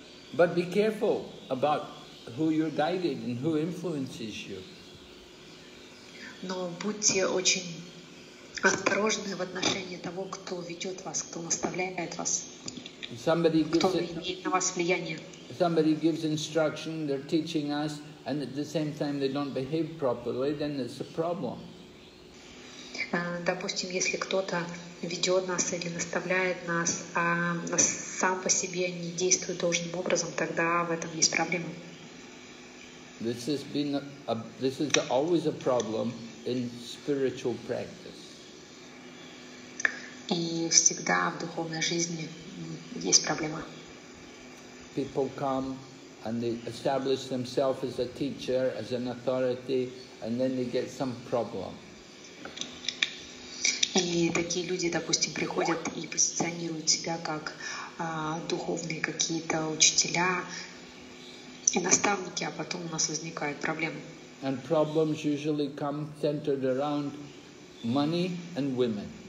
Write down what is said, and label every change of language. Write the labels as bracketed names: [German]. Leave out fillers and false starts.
[English] But be careful about who you're guided and who influences you. [Russian] Но будьте очень осторожны в отношении того, кто ведет вас, кто наставляет вас, [English] somebody gives [Russian] кто имеет на вас влияние. [English] Somebody gives instruction, they're teaching us, and at the same time they don't behave properly, then it's a problem. [Russian] Допустим, если кто-то ведет нас или наставляет нас, а сам по себе не действует должным образом, тогда в этом есть проблема. [English] This has been always a problem in spiritual practice. [Russian] И всегда в духовной жизни есть проблема. [English] People come and they establish themselves as a teacher, as an authority, and then they get some problem. [Russian] И такие люди, допустим, приходят и позиционируют себя как духовные какие-то учителя и наставники, а потом у нас возникают проблемы. [English] And problems usually come centered around money and women.